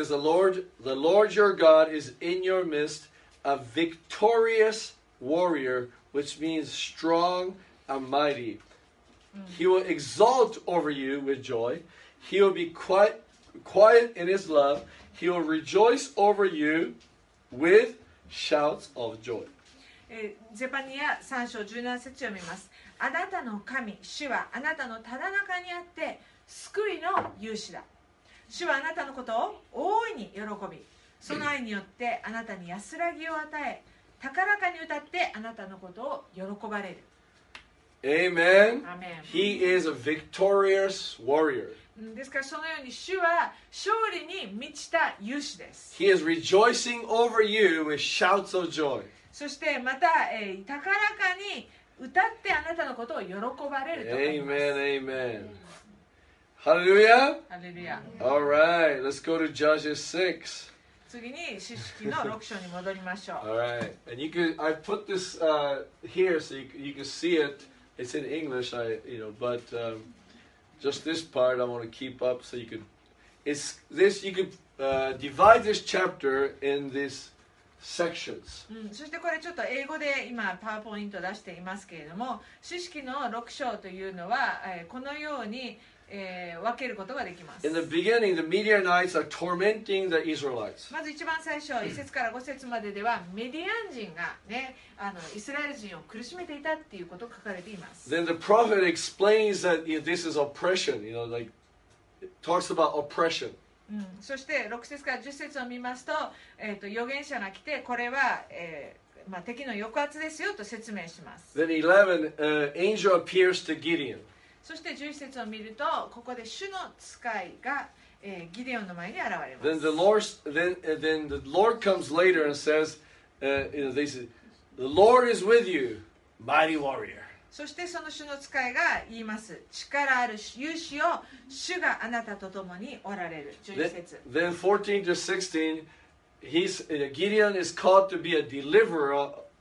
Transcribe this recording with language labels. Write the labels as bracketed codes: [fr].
[en] It says, the Lord your God is in your midst, a victorious warrior, which means strong and mighty. He will exult over you with joy. He will be quiet in his love. He will rejoice over you with shouts of joy. [ja] ゼパニア3章17節を読みます。あなたの神、主はあなたのただ中にあって救いの勇士だ。主はあなたのことを大いに喜び、その愛によってあなたに安らぎを与え、高らかに歌ってあなたのことを喜ばれる。 [en] Amen. Amen. He is a victorious warrior. [ja] ですからそのように主は勝利に満ちた勇士です。 [en] He is rejoicing over you with shouts of joy. [ja] そしてまた、高らかに歌ってあなたのことを喜ばれると思います。 [en] Amen, amen. Hallelujah. Hallelujah. All right, let's go to Judges 6. [ja] 次に詩式の6章に戻りましょう。 [en] All right, and you can, I put this here so you can see it. It's in English, I, you know, but. Just this part, I want to keep up so you could. It's this. You could divide this chapter in these sections. [ja] そしてこれちょっと英語で今パワーポイント出していますけれども、詩式の6章というのはこのように分けることができます。 [en] In the beginning, the Midianites are tormenting the Israelites. [ja] まず一番最初、1節から5節までではメディアン人がね、イスラエル人を苦しめていたっていうことが書かれています。 [en] Then the prophet explains that this is oppression. You know, like talks about oppression. [ja] そして6節から10節を見ますと、預言者が来てこれは、敵の抑圧ですよと説明します。 [en] Then 11, angel appears to Gideon. [ja] そして11節を見るとここで主の使いが、ギデオンの前に現れます。 [en] Then the Lord, then the Lord comes later and says, you know, they say, the Lord is with you, mighty warrior. [ja] そしてその主の使いが言います。力ある勇士を主があなたと共におられる。 11節。 [en] Then 14 to 16, he's, Gideon is called to be a deliverer.